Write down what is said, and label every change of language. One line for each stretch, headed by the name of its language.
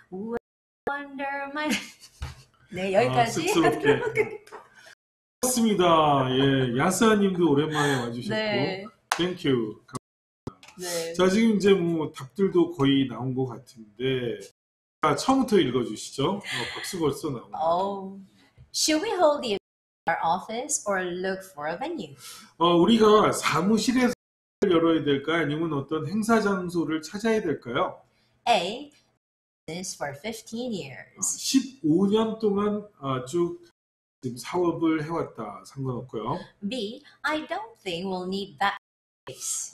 English: Wonder my.
Korean: 네, 여기까지. 아, 고맙습니다. 예, 야사님도 오랜만에 와주셨고. 네.
English: Thank you.
Korean: 감사합니다. 네. 자, 지금 이제 뭐 답들도 거의 나온 것 같은데. 자, 처음부터 읽어주시죠. 어, 박수 벌써 나온 것 같아요.
English: Should we hold the event in our office or look for a venue?
Korean: 어, 우리가 사무실에서 열어야 될까요? 아니면 어떤 행사 장소를 찾아야 될까요?
English: A. Business for 15 years.
Korean: 15년 동안 쭉 지금 사업을 해왔다. 상관없고요.
English: B. I don't think we'll need that space.